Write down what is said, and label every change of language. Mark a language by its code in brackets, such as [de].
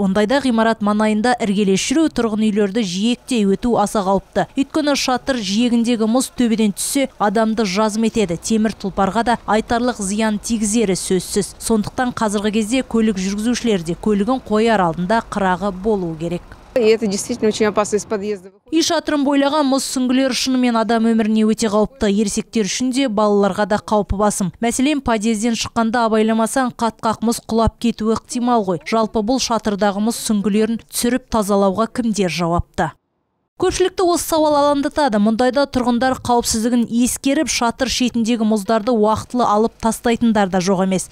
[kk] Ондайда ғимарат маңайында іргелес жүру, тұрғын үйлерді жиектей өту аса қауіпті. Өйткені шатыр жиегіндегі мұз төбеден түссе, адамды жазым етеді. Темір тұлпарға да айтарлық зиян тигізері сөзсіз. Сондықтан қазіргі кезде көлік жүргізушілері де көлігін қояр алдында қырағы болуы керек. [ru] Это действительно очень опасно из подъезда. [kk] И шатырын бойлаған мұз сүңгілер шынымен адам өміріне өте қауіпті. Ересектер үшін де балаларға да қауіпі басым. Мәселен, подъезден шыққанда абайламасаң қатқақ мұз құлап кетуі ықтимал ғой. Жалпы бұл шатырдағы мұз сүңгілерін түсіріп тазалауға кімдер жауапты? Көпшілікті осы сауал алаңдатады. Мұндайда тұрғындар қауіпсіздігін ескеріп, шатыр шетіндегі мұздарды уақытылы алып тастайтындар да жоқ емес.